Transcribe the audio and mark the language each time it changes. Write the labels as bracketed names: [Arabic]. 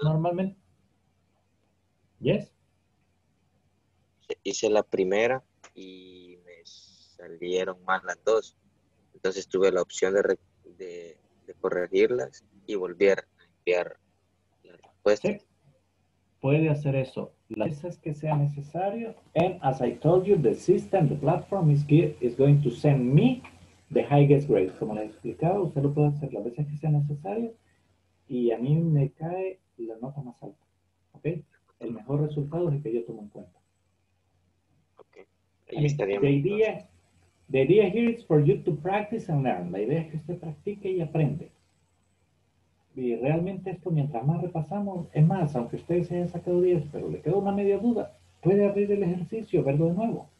[Spanish] normalmente... ¿Yes? Hice la primera y me salieron más las dos. Entonces tuve la opción de corregirlas y volví a enviar la respuesta. ¿Sí? Puede hacer eso. Las veces que sea necesario. [English] And as I told you, the system, the platform is going to send me the highest grade. [Spanish] Como les explicaba, usted lo puede hacer las veces que sea necesario. Y a mí me cae la nota más alta. ¿Ok? El mejor resultado es el que yo tomo en cuenta. Ok. Ahí estaría. [English] The idea here is for you to practice and learn. [Spanish] La idea es que usted practique y aprende. Y realmente esto, mientras más repasamos, es más, aunque usted se haya sacado 10, pero le queda una media duda, puede abrir el ejercicio, verlo de nuevo.